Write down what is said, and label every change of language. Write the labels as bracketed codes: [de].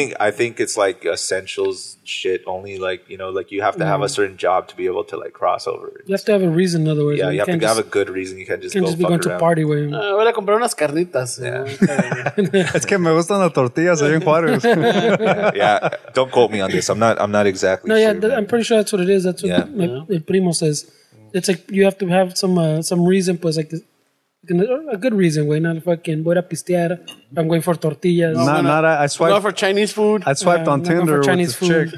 [en] I think it's like essentials shit only. Like, you know, like you have to have a certain job to be able to like cross over. You have to have a reason, in other words. Yeah, you have to just have a good reason. You can't just can't go just be fuck going around. To party with him. [es] Voy a comprar unas carnitas. [en] Yeah. [es] Es que me gustan las tortillas ahí en Juárez. [en] Yeah. Don't quote me on this. I'm not exactly. No, sure. Yeah, I'm pretty sure that's what it is. That's what my primo says. It's like you have to have some reason, pues, like a good reason. Why not fucking [es] voy a pistear? [en] I'm going for tortillas. No, I swiped. Going for Chinese food. I swiped on Tinder with this chick.